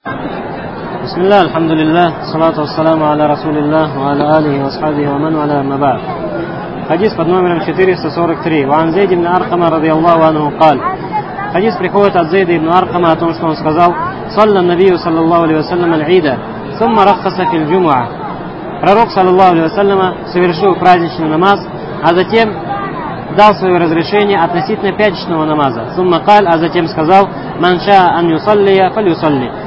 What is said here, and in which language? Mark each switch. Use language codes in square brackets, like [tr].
[ar] بسم الله الحمد لله والصلاة والسلام على رسول الله وعلى آله وصحبه ومن على ما بعد. [ru] حديث под номером 443. [ar] وعن زيد بن أرقم رضي الله عنه قال. [ru] Хадис приходит от Зейда ибн Аркама о том, что он сказал: «Салля Навию саллаллаху алейхи ва саллям аль-Ида, сумма раххаса филь джумуа». Пророк саллаллаху алейхи ва саллям совершил праздничный намаз, а затем дал свое разрешение относительно пятничного намаза. Сумма каль, а затем сказал: «Ман ша ан юсаллия фаль юсалли».